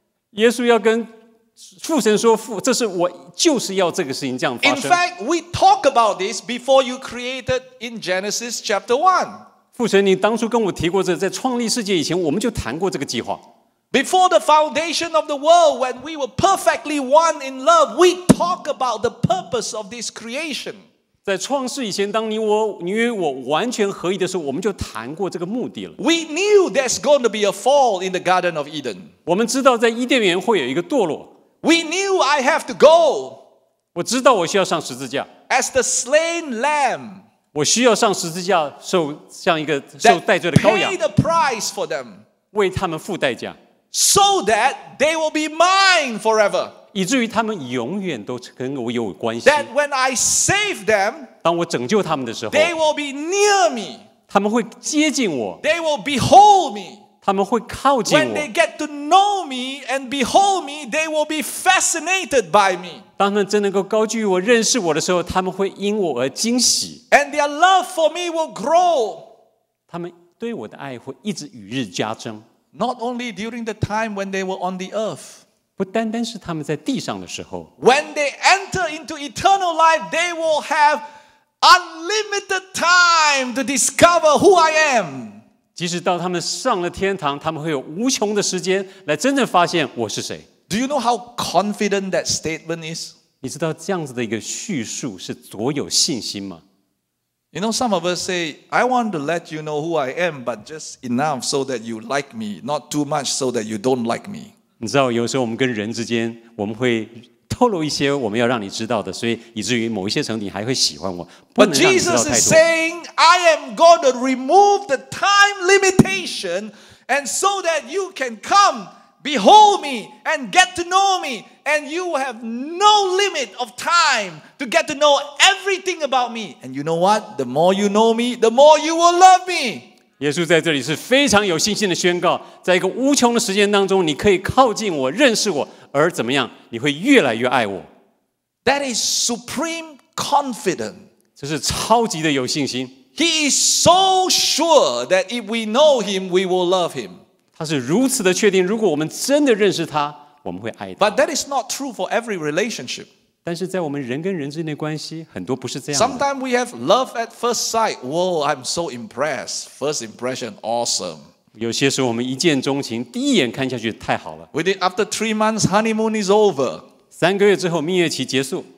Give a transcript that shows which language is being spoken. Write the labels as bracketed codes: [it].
[zh] 耶稣要跟父神说，父，这是我就是要这个事情这样发生。 [en] In fact, we talk about this before you created in Genesis chapter 1. [zh] 父神，你当初跟我提过这，在创立世界以前，我们就谈过这个计划。 [en] Before the foundation of the world, when we were perfectly one in love, we talk about the purpose of this creation. [zh] 在创世以前，当你与我完全合一的时候，我们就谈过这个目的了。 [en] We knew there's going to be a fall in the Garden of Eden. [zh] 我们知道在伊甸园会有一个堕落。 [en] We knew I have to go. [zh] 我知道我需要上十字架。 [en] As the slain lamb. [zh] 我需要上十字架，受像一个受代罪的羔羊。 [en] Pay the price for them. [zh] 为他们付代价。 [en] So that they will be mine forever. [zh] 以至于他们永远都跟我有关系。 [en] That when I save them, [zh] 当我拯救他们的时候， [en] they will be near me. [zh] 他们会接近我。 [en] They will behold me. [zh] 他们会靠近我。 [en] When they get to know me and behold me, they will be fascinated by me. [zh] 当他们真能够高举我、认识我的时候，他们会因我而惊喜。 [en] And their love for me will grow. [zh] 他们对我的爱会一直与日加增。 [en] Not only during the time when they were on the earth. [zh] 不单单是他们在地上的时候。 [en] When they enter into eternal life, they will have unlimited time to discover who I am. [zh] 即使到他们上了天堂，他们会有无穷的时间来真正发现我是谁。 [en] Do you know how confident that statement is? [zh] 你知道这样子的一个叙述是多有信心吗？ [en] You know, some of us say, I want to let you know who I am, but just enough so that you like me, not too much so that you don't like me. [zh] 你知道有时候我们跟人之间，我们会透露一些我们要让你知道的，所以以至于某一些程度你还会喜欢我，不能让你知道太多。 [en] But Jesus is saying, I am going to remove the time limitation, and so that you can come, behold me, and get to know me, and you have no limit of time. To get to know everything about me. And you know what? The more you know me, the more you will love me. [zh] 耶稣在这里是非常有信心的宣告，在一个无穷的时间当中，你可以靠近我，认识我，而怎么样？你会越来越爱我。 [en] That is supreme confidence. [zh] 这是超级的有信心。 [en] He is so sure that if we know him, we will love him. [zh] 他是如此的确定，如果我们真的认识他，我们会爱他。 [en] But that is not true for every relationship. [zh] 但是在我们人跟人之间的关系，很多不是这样的。 [en] Sometimes we have love at first sight. Whoa, I'm so impressed. First impression, awesome. [zh] 有些时候我们一见钟情，第一眼看下去太好了。 [en] Within after 3 months, honeymoon is over. [zh] 三个月之后蜜月期结束。